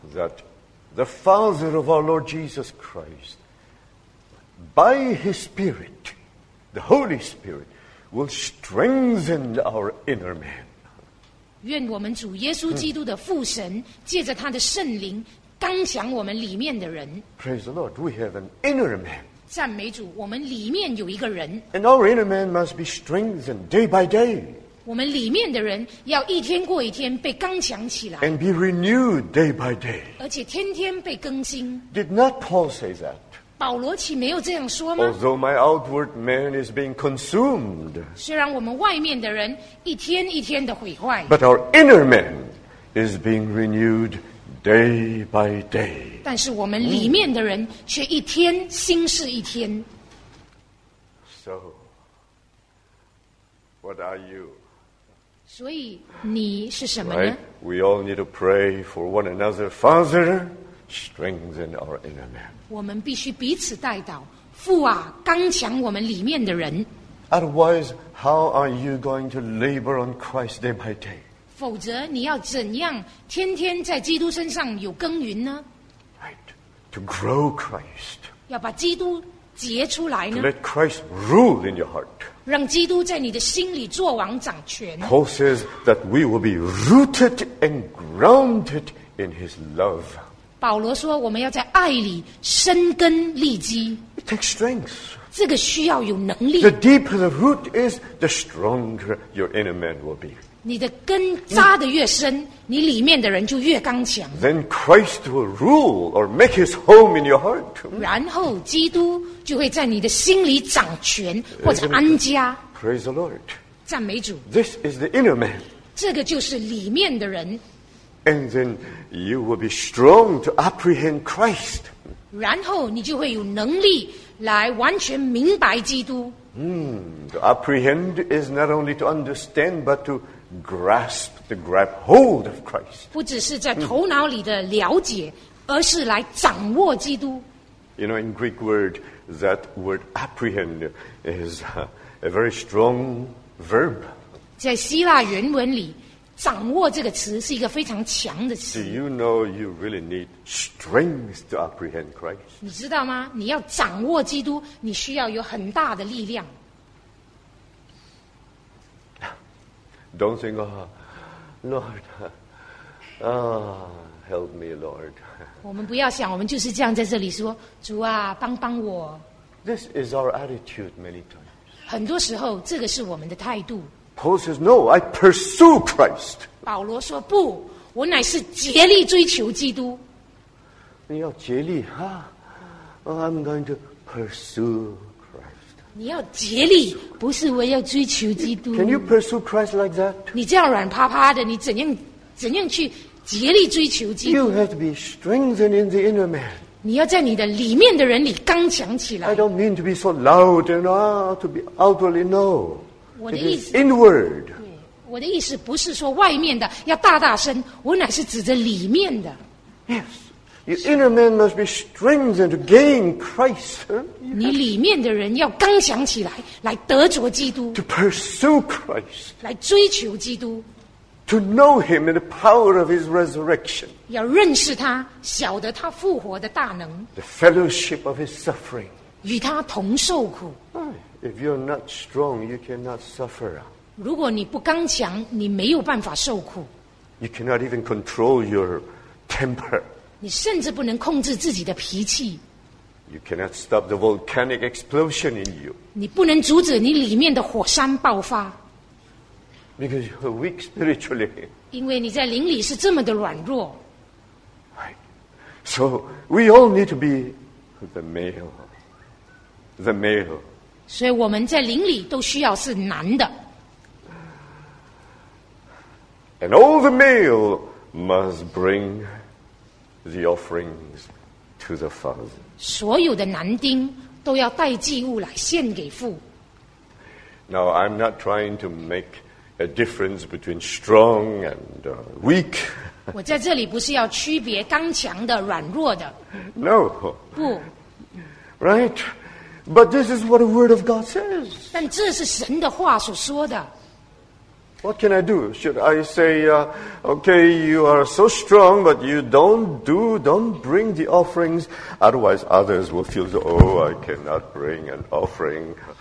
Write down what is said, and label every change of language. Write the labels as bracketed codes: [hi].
[en] That the Father of our Lord Jesus Christ, by His Spirit, the Holy Spirit, will strengthen our inner man. [zh] 愿我们主耶稣基督的父神借着他的圣灵刚强我们里面的人。 [en] Praise the Lord, we have an inner man. [zh] 赞美主，我们里面有一个人。 [en] And our inner man must be strengthened day by day. [zh] 我们里面的人要一天过一天被刚强起来。 [en] And be renewed day by day. [zh] 而且天天被更新。 [en] Did not Paul say that? [zh] 保罗岂没有这样说吗？ [en] Although my outward man is being consumed. [zh] 虽然我们外面的人一天一天的毁坏。 [en] But our inner man is being renewed. Day by day. [zh] 但是我们里面的人却一天新是一天。 [en] So, what are you? [zh] 所以你是什么呢？ [en] Right? We all need to pray for one another. Father, strengthen our inner man. [zh] 我们必须彼此代祷，父啊，刚强我们里面的人。 [en] Otherwise, how are you going to labor on Christ day by day? [zh] 否则你要怎样天天在基督身上有耕耘呢？ [en] Right. To grow Christ. [zh] 要把基督结出来呢？ [en] To let Christ rule in your heart. [zh] 让基督在你的心里作王掌权。 [en] Paul says that we will be rooted and grounded in his love. [zh] 保罗说我们要在爱里生根立基。 [en] It takes strength. [zh] 这个需要有能力。 [en] The deeper the root is, the stronger your inner man will be. [zh] 你的根扎得越深，你里面的人就越刚强。 [en] Then Christ will rule or make his home in your heart. [zh] 然后基督就会在你的心里掌权或者安家。 [en] Praise the Lord. [zh] 赞美主。 [en] This is the inner man. [zh] 这个就是里面的人。 [en] And then you will be strong to apprehend Christ. [zh] 然后你就会有能力来完全明白基督。 [en] To apprehend is not only to understand, but to grasp, to grab hold of Christ. [zh] 不只是在头脑里的了解，而是来掌握基督。 [en] You know, in Greek word, that word apprehend is a very strong verb. [zh] 在希腊原文里，掌握这个词是一个非常强的词。 [en] Do you know you really need strength to apprehend Christ? [zh] 你知道吗？你要掌握基督，你需要有很大的力量。 [en] Don't think, oh, Lord, help me, Lord. [zh] 我们不要想，我们就是这样在这里说，主啊，帮帮我。 [en] This is our attitude many times. [zh] 很多时候，这个是我们的态度。 [en] Paul says, "No, I pursue Christ." [zh] 保罗说不，我乃是竭力追求基督。你要竭力哈、 [en] I'm going to pursue Christ. [zh] 你要竭力，不是为要追求基督。 [en] Can you pursue Christ like that? [zh] 你这样软趴趴的，你怎样去竭力追求基督 [en] ？You have to be strengthened in the inner man. [zh] 你要在你的里面的人里刚强起来。 [en] I don't mean to be so loud and to be outwardly no. [zh] 我的意思 [en] inward. [zh] 对，我的意思不是说外面的要大大声，我乃是指着里面的。 [en] Yes. Your inner man must be strengthened to gain Christ. [zh] 你里面的人要刚强起来，来得着基督。 [en] To pursue Christ. [zh] 来追求基督。 [en] To know Him in the power of His resurrection. [zh] 要认识他，晓得他复活的大能。 [en] The fellowship of His suffering. [zh] 与他同受苦。 [en] If you're not strong, you cannot suffer. [zh] 如果你不刚强，你没有办法受苦。 [en] You cannot even control your temper. [zh] 你甚至不能控制自己的脾气。 [en] You cannot stop the volcanic explosion in you. [zh] 你不能阻止你里面的火山爆发。 [en] Because you're weak spiritually. [zh] 因为你在灵里是这么的软弱。 [en] So we all need to be the male. The male. [zh] 所以我们在灵里都需要是男的。 [en] And all the male must bring... The offerings to the Father. [zh] 所有的男丁都要带祭物来献给父。 [en] Now I'm not trying to make a difference between strong and weak. [zh] 我在这里不是要区别刚强的、软弱的。 [en] No. [zh] 不。 [en] Right. But this is what the Word of God says. [zh] 但这是神的话所说的。 [en] What can I do? Should I say, okay, you are so strong, but you don't bring the offerings. Otherwise, others will feel, oh, I cannot bring an offering.